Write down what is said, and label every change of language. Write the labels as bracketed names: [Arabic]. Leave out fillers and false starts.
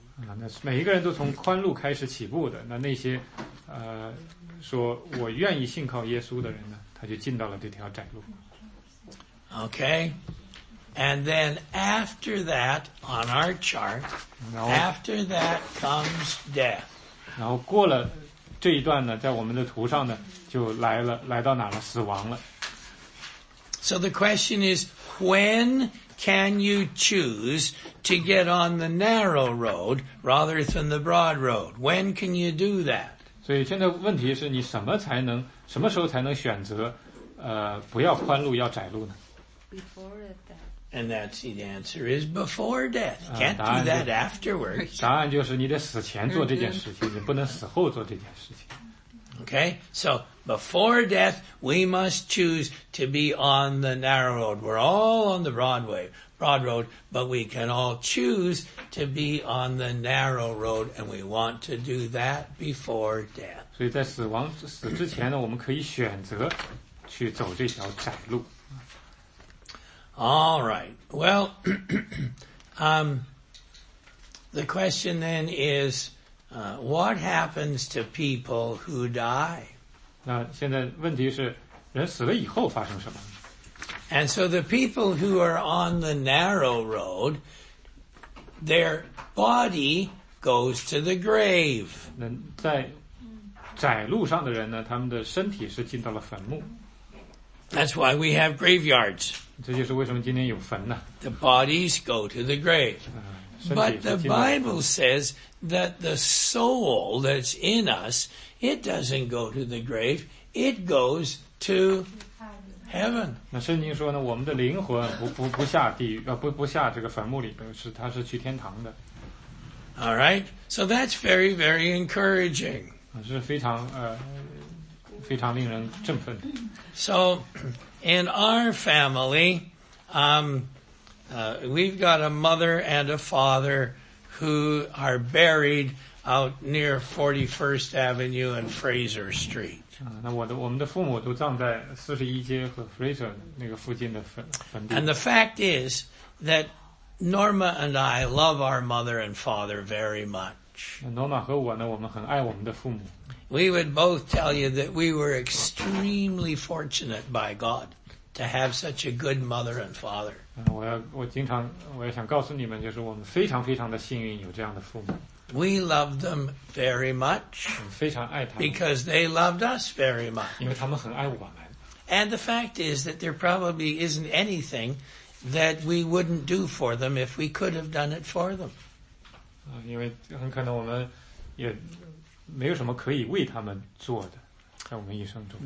[Chinese] 啊，那每一个人都从宽路开始起步的。那那些，说我愿意信靠耶稣的人呢，他就进到了这条窄路。 [English] Okay. And then after that, on our chart, after that comes death. [Chinese] 然后过了这一段呢，在我们的图上呢，就来了，来到哪了？死亡了。 [English] So the question is, when can you choose to get on the narrow road rather than the broad road? When can you do that? [Chinese] 所以现在问题是你什么才能，什么时候才能选择，不要宽路，要窄路呢？ [English] Before death. And that's the answer is before death. Can't do that afterwards. [Chinese] 答案就是你得死前做这件事情，你不能死后做这件事情。 [English] Okay, so before death, we must choose to be on the narrow road. We're all on the broad road, but we can all choose to be on the narrow road, and we want to do that before death. [Chinese] 所以在死亡死之前呢，我们可以选择去走这条窄路。 [English] All right. Well, the question then is, what happens to people who die? [Chinese] 那现在问题是，人死了以后发生什么？ [English] And so the people who are on the narrow road, their body goes to the grave. [Chinese] 那在窄路上的人呢，他们的身体是进到了坟墓。 [English] That's why we have graveyards. [Chinese] 这就是为什么今天有坟呢？ [English] The bodies go to the grave. But the Bible says that the soul that's in us, it doesn't go to the grave, it goes to heaven. [Chinese] 那圣经说呢，我们的灵魂不下地狱，不下这个坟墓里边，是它是去天堂的。 [English] All right, so that's very, very encouraging. [Chinese] 是非常非常令人振奋。 [English] So, in our family, we've got a mother and a father who are buried out near 41st Avenue and Fraser Street. [Chinese] 那我们的父母都葬在41街和 Fraser 那个附近的坟地。 [English] And the fact is that Norma and I love our mother and father very much. [Chinese] Norma 和我呢，我们很爱我们的父母。 [English] We would both tell you that we were extremely fortunate by God to have such a good mother and father. [Chinese] 我也想告诉你们，就是我们非常非常的幸运，有这样的父母。 [English] We loved them very much. [Chinese] 非常爱他们。 [English] Because they loved us very much. [Chinese] 因为他们很爱我们。 [English] And the fact is that there probably isn't anything that we wouldn't do for them if we could have done it for them. [Chinese] 因为很可能我们也没有什么可以为他们做的，在我们一生中。